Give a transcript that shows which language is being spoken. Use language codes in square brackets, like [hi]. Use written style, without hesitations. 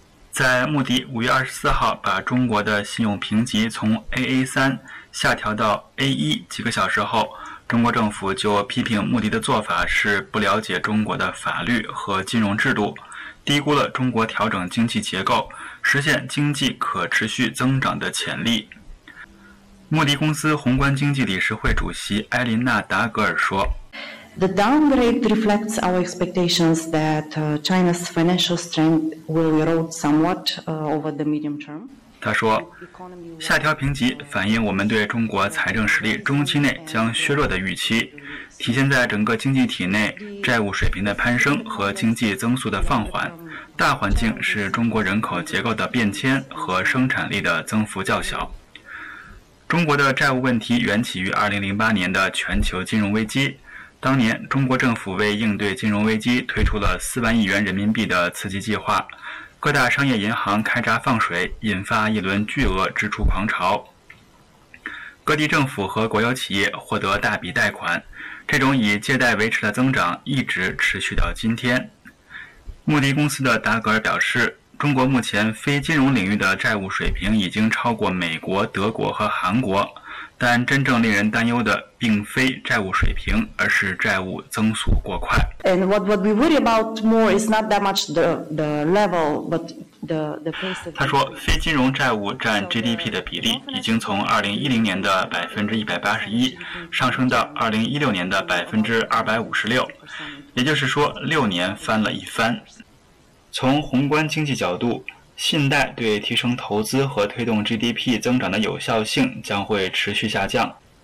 [zh] 在穆迪5月24号把中国的信用评级从 AA3 下调到 A1 几个小时后，中国政府就批评穆迪的做法是不了解中国的法律和金融制度，低估了中国调整经济结构、实现经济可持续增长的潜力。穆迪公司宏观经济理事会主席埃琳娜·达格尔说， [en] The downgrade reflects our expectations that China's financial strength will erode somewhat over the medium term. [zh] 他说，下调评级反映我们对中国财政实力中期内将削弱的预期，体现在整个经济体内债务水平的攀升和经济增速的放缓。大环境是中国人口结构的变迁和生产力的增幅较小。中国的债务问题源起于2008年的全球金融危机。当年中国政府为应对金融危机推出了4万亿元人民币的刺激计划，各大商业银行开闸放水，引发一轮巨额支出狂潮，各地政府和国有企业获得大笔贷款，这种以借贷维持的增长一直持续到今天。穆迪公司的达格尔表示，中国目前非金融领域的债务水平已经超过美国、德国和韩国，但真正令人担忧的并非债务水平，而是债务增速过快。 [en] And what we worry about more is not that much the level, but the pace. [zh] 他说，非金融债务占 GDP 的比例已经从2010年的181%上升到2016年的256%，也就是说，六年翻了一番。从宏观经济角度，信贷对提升投资和推动 GDP 增长的有效性将会持续下降。